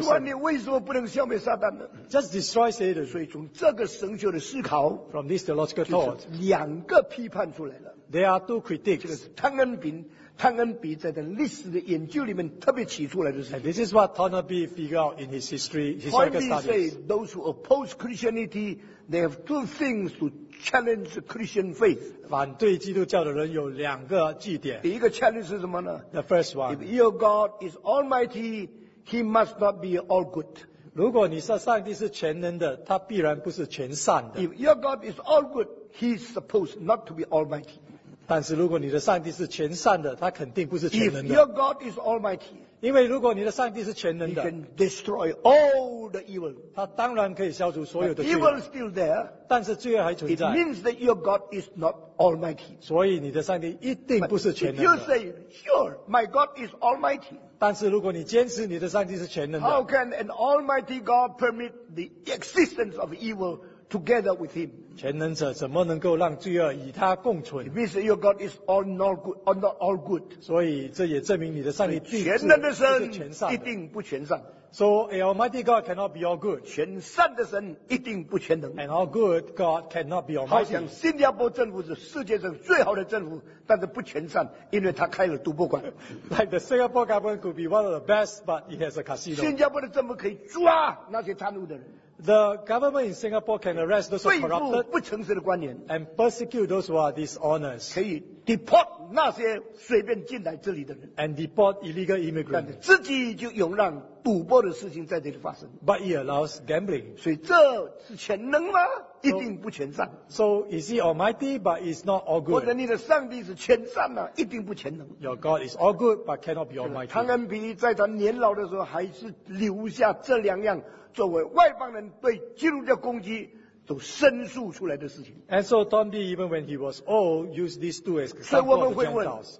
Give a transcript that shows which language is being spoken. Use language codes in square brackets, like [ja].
[zh] 主啊，你为什么不能消灭撒旦？ [en] Just destroy Satan. [zh] 所以从这个神学的思考， [en] from this theological thought, [zh] 就是两个批判出来了。 [en] There are two critiques. [zh] 这个是汤恩比，汤恩比在他历史的研究里面特别提出来的事情。 [en] And this is what Thornaby figured out in his history, historical studies. Thornaby said those who oppose Christianity, they have two things to challenge the Christian faith. [zh] 反对基督教的人有两个据点。第一个 challenge 是什么呢？ [en] The first one. If your God is Almighty, He must not be all good. [zh] 如果你说上帝是全能的，他必然不是全善的。 [en] If your God is all good, He's supposed not to be almighty. [zh] 但是如果你的上帝是全善的，他肯定不是全能的。 [en] If your God is almighty, [zh] 因为如果你的上帝是全能的， [en] He can destroy all the evil. [zh] 他当然可以消除所有的罪。 [en] Evil is still there. [zh] 但是罪恶还存在。 [en] It means that your God is not almighty. [zh] 所以你的上帝一定不是全能的。 [en] But if you say, sure, my God is almighty. [zh] 但是如果你坚持你的上帝是全能的， [en] How can an almighty God permit the existence of evil together with him? [zh] 全能者怎么能够让罪恶与他共存？ [en] It means your God is all not good, not all good. [zh] 所以这也证明你的上帝并不是全善的。全能的神一定不全善。 [en] So an almighty God cannot be all good. [zh] 全善的神一定不全能。 [en] And all good God cannot be almighty. [zh] 好像新加坡政府是世界上最好的政府，但是不全善，因为他开了赌博馆。 [en] Like the Singapore government could be one of the best, but it has a casino. [zh] 新加坡的政府可以抓那些贪污的人。 [en] The government in Singapore can arrest those who are corrupted [zh] 不诚实的官员 [en] and persecute those who are dishonest. [zh] 可以 deport 那些随便进来这里的人 [en] and deport illegal immigrants. [zh] 自己就容让赌博的事情在这里发生 [en] but he allows gambling. [zh] 所以这是全能吗？So, 一定不全善。 [en] So is he almighty, but is not all good? [zh] 或者你的上帝是全善呢、啊？一定不全能。 [en] Your God is all good, but cannot be almighty. [zh] 汤恩比在他年老的时候还是留下这两样。作为外邦人对基督教攻击都申诉出来的事情。 [en] And so Thornaby, even when he was old, used these two as examples of Gentiles.